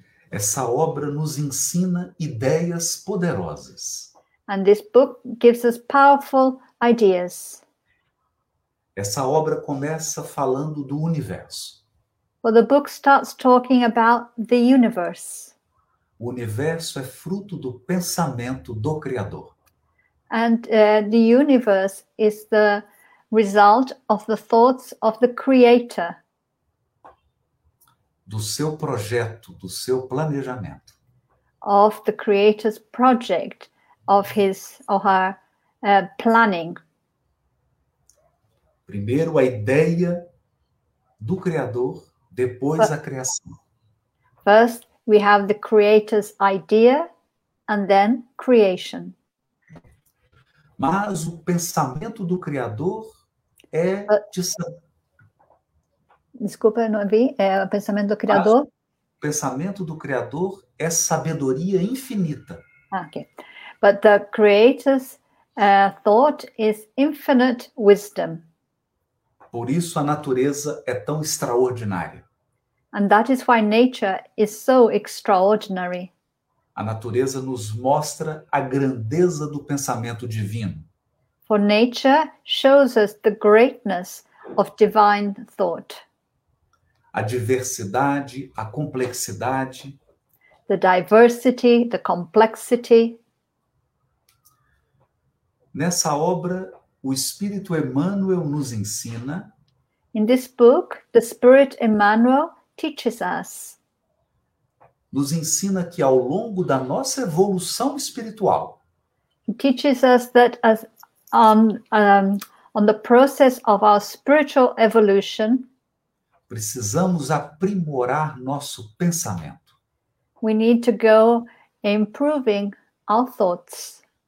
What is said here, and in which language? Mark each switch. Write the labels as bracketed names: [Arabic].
[Portuguese] Essa obra nos ensina ideias poderosas. [English] And this book gives us powerful ideas. [Portuguese] Essa obra começa falando do universo. [English] Well, the book starts talking about the universe. [Portuguese] O universo é fruto do pensamento do Criador. [English] And the universe is the result of the thoughts of the Creator. [Portuguese] Do seu projeto, do seu planejamento. [English] Of the Creator's project, of his or her planning. [Portuguese] Primeiro a ideia do Criador, depois a criação. [English] First, we have the Creator's idea and then creation. [Portuguese] Mas o pensamento do Criador é de santo. Desculpa, não vi. É o pensamento do Criador? O pensamento do Criador é sabedoria infinita. [English] Ah, ok. But the Creator's thought is infinite wisdom. [Portuguese] Por isso a natureza é tão extraordinária. [English] And that is why nature is so extraordinary. [Portuguese] A natureza nos mostra a grandeza do pensamento divino. [English] For nature shows us the greatness of divine thought. [Portuguese] A diversidade, a complexidade. [English] The diversity, the complexity. [Portuguese] Nessa obra, o Espírito Emmanuel nos ensina. [English] In this book, the Spirit Emmanuel teaches us. [Portuguese] Nos ensina que ao longo da nossa evolução espiritual. [English] He teaches us that as on the process of our spiritual evolution. [Portuguese] Precisamos aprimorar nosso pensamento. [English] We need to go improving our thoughts.